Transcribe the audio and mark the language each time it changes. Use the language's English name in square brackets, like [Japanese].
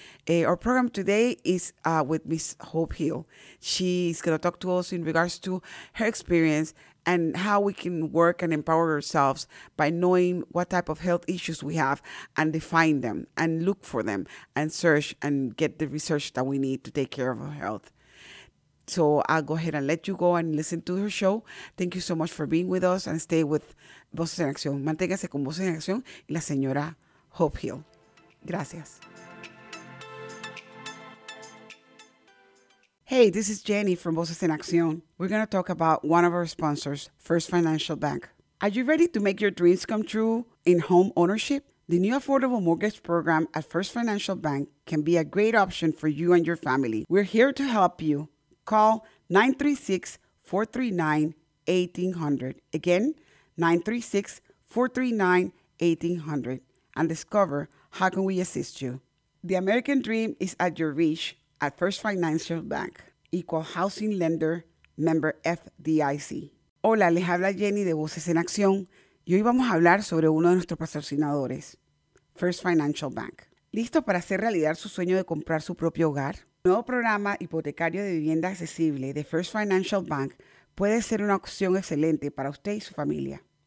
[English] Our program today is with Miss Hope Hill. She's going to talk to us in regards to her experience and how we can work and empower ourselves by knowing what type of health issues we have and define them and look for them and search and get the research that we need to take care of our health. So I'll go ahead and let you go and listen to her show. Thank you so much for being with us and stay with Voces en Acción. [Spanish] Manténgase con Voces en Acción y la señora Hope Hill. Gracias. [English] Hey, this is Jenny from Voces en Acción. We're going to talk about one of our sponsors, First Financial Bank. Are you ready to make your dreams come true in home ownership? The new affordable mortgage program at First Financial Bank can be a great option for you and your family. We're here to help you. Call 936-439-1800. Again, 936-439-1800. And discover how can we assist you. The American dream is at your reach at First Financial Bank. Equal Housing Lender, member FDIC. [Spanish] Hola, les habla Jenny de Voces en Acción. Y hoy vamos a hablar sobre uno de nuestros patrocinadores, First Financial Bank. ¿Listo para hacer realidad su sueño de comprar su propio hogar? Nuevo programa hipotecario de vivienda accesible de First Financial Bank puede ser una opción excelente para usted y su familia.